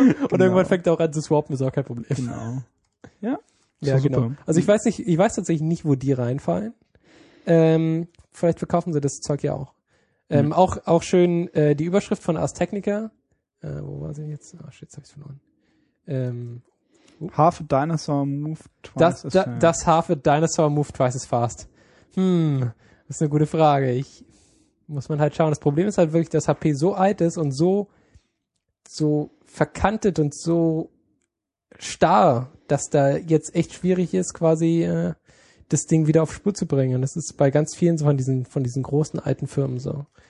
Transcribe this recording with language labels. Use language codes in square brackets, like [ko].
[de] Und irgendwann fängt er auch an zu swappen, ist auch kein Problem. Genau. Ja. So, ja, super. Genau. Also ich weiß tatsächlich nicht, wo die reinfallen. Vielleicht verkaufen sie das Zeug ja auch. Auch schön die Überschrift von Ars Technica. Wo war sie jetzt? Ah, shit, hab ich's verloren. [en] Half a dinosaur moved twice as fast. Das half a dinosaur moved twice as fast. [de] Das ist eine gute Frage. Muss man halt schauen. Das Problem ist halt wirklich, dass HP so alt ist und so verkantet und so starr, dass da jetzt echt schwierig ist, quasi das Ding wieder auf Spur zu bringen. Und das ist bei ganz vielen so von diesen großen alten Firmen so.